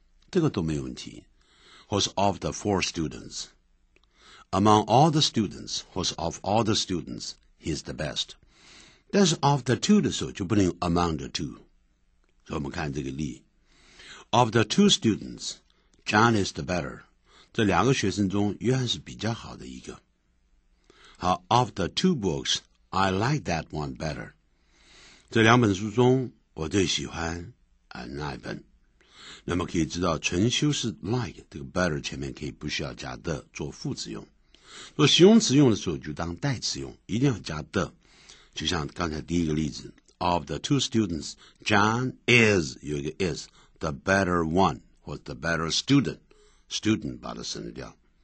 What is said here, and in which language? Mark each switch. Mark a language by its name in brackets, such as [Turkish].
[Chinese] 这个都没问题。或是 [English] of the four students。 Among all the students, [Chinese] 或是 [English] of all the students, he is the best. [Chinese] 但是 [English] of the two [Chinese] 的时候就不能用 [English] among the two。 [Chinese] 所以我们看这个例。 [English] Of the two students, John is the better. [Chinese] 这两个学生中约翰是比较好的一个。 [English] Of the two books, I like that one better. [Chinese] 这两本书中我最喜欢那一本。那么可以知道纯修饰 like, 这个 better 前面可以不需要加的做副词用。做形容词用的时候就当代词用一定要加的。就像刚才第一个例子 [English] ,of the two students, John is, [Chinese] 有一个 [English] is, the better one, 或 the better student, student [Chinese] 把它省掉。